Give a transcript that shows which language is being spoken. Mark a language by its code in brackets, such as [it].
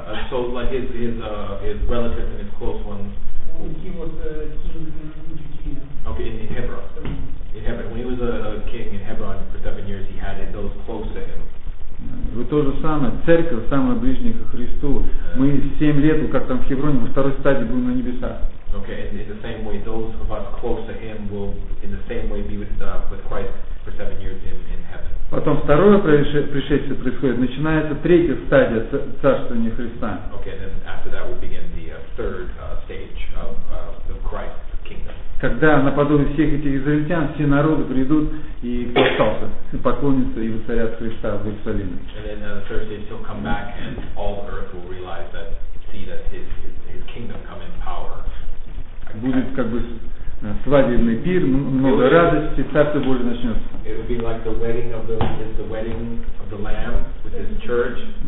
[en] So like his relatives and his close ones. He was a king in Judea. Okay, in Hebron. In Hebron, when he was a king in Hebron for 7 years, he had those close to him. [ru] Вот то же самое, церковь самая ближняя к Христу. Мы 7 лет, как там в Хевроне, во второй стадии будем на небесах. [en] Okay, and in the same way, those of us close to him will, in the same way, be with Christ for 7 years in heaven. [ru] Потом второе пришествие происходит, начинается третья стадия царствования Христа. [en] Okay, then after that will begin the third stage of Christ's kingdom. [ru] Когда наподобие всех этих израильтян, все народы придут и поклонятся, и поклонятся и воцарят Христа в Иерусалиме. [en] And then the third stage will come back and all the earth will realize that, see that his kingdom come in power. [ru] Будет как бы свадебный пир, много радости, Царство Божие начнется. [en] It will be like the wedding of the wedding of the Lamb with his church.